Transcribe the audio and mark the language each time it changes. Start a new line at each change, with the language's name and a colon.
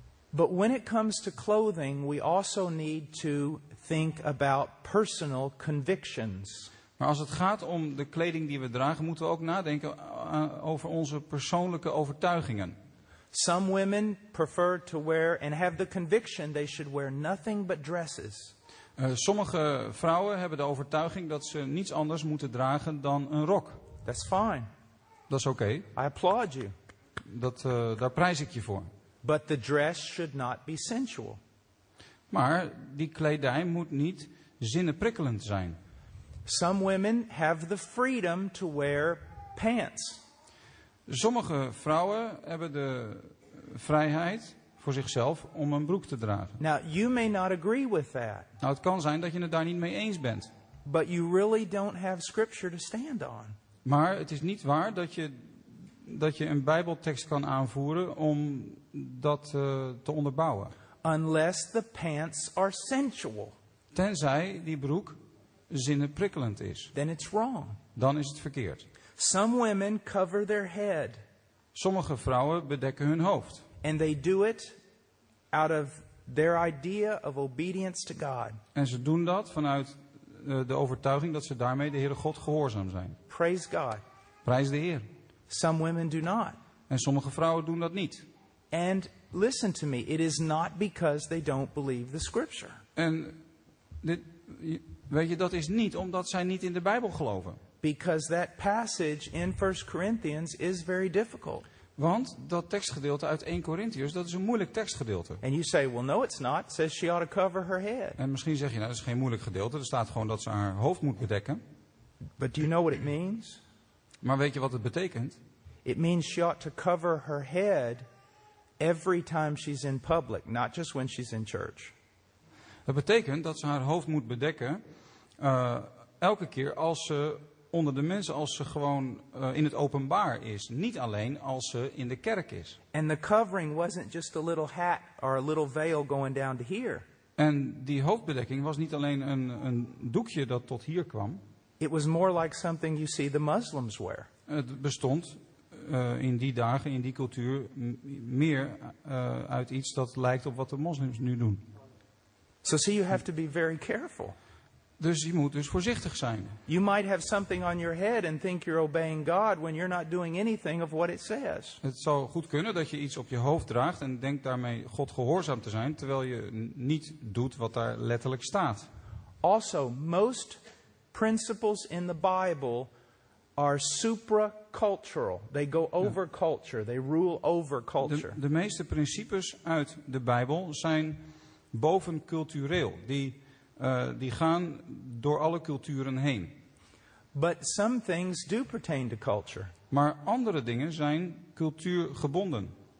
English: But when it comes to clothing, we also need to think about personal convictions.
Dutch: Maar als het gaat om de kleding die we dragen, moeten we ook nadenken over onze persoonlijke overtuigingen.
English: Some women prefer to wear and have the conviction they should wear nothing but dresses.
Dutch: Sommige vrouwen hebben de overtuiging dat ze niets anders moeten dragen dan een rok.
English: That's fine.
Dutch: Dat is oké.
English: I applaud you.
Dutch: Daar prijs ik je voor.
English: But the dress should not be sensual.
Dutch: Maar die kledij moet niet zinnenprikkelend zijn.
English: Some women have the freedom to wear pants.
Dutch: Sommige vrouwen hebben de vrijheid voor zichzelf om een broek te dragen.
English: Now, you may not agree with that.
Dutch: Nou, het kan zijn dat je het daar niet mee eens bent.
English: But you really don't have scripture to stand on.
Dutch: Maar het is niet waar dat je een Bijbeltekst kan aanvoeren om dat te onderbouwen.
English: Unless the pants are sensual.
Dutch: Tenzij die broek zinnenprikkelend is.
English: Then it's wrong.
Dutch: Dan is het verkeerd.
English: Some women cover their head.
Dutch: Sommige vrouwen bedekken hun hoofd.
English: And they do it out of their idea of obedience to God.
Dutch: En ze doen dat vanuit de overtuiging dat ze daarmee de Heere God gehoorzaam zijn.
English: Praise God.
Dutch: Prijs de Heer.
English: Some women do not.
Dutch: En sommige vrouwen doen dat niet.
English: And listen to me, it is not because they don't believe the scripture.
Dutch: En dit, weet je, dat is niet omdat zij niet in de Bijbel geloven.
English: Because that passage in 1 Corinthians is very difficult.
Dutch: Want dat tekstgedeelte uit 1 Corinthians, dat is een moeilijk tekstgedeelte.
English: And you say, well, no, it's not. It says she ought to cover her head.
Dutch: En misschien zeg je, nou, dat is geen moeilijk gedeelte. Er staat gewoon dat ze haar hoofd moet bedekken.
English: But do you know what it means?
Dutch: Maar weet je wat het betekent?
English: It means she ought to cover her head every time she's in public, not just when she's in church.
Dutch: Dat betekent dat ze haar hoofd moet bedekken elke keer als ze onder de mensen, als ze gewoon in het openbaar is, niet alleen als ze in de kerk is.
English: And the covering wasn't just a little hat or a little veil going down to here.
Dutch: En die hoofdbedekking was niet alleen een doekje dat tot hier kwam.
English: It was more like something you see the Muslims wear.
Dutch: Het bestond in die dagen, in die cultuur, meer uit iets dat lijkt op wat de moslims nu doen.
English: So see, you have to be very careful.
Dutch: Dus je moet dus voorzichtig zijn.
English: You might have something on your head and think you're obeying God when you're not doing anything of what it says.
Dutch: Het zou goed kunnen dat je iets op je hoofd draagt en denkt daarmee God gehoorzaam te zijn, terwijl je niet doet wat daar letterlijk staat.
English: Also, most principles in the Bible are supra-cultural. They go over culture. They rule over culture.
Dutch: De meeste principes uit de Bijbel zijn bovencultureel. Die gaan door alle culturen heen.
English: But some things do pertain to culture.
Dutch: Maar andere dingen zijn cultuurgebonden.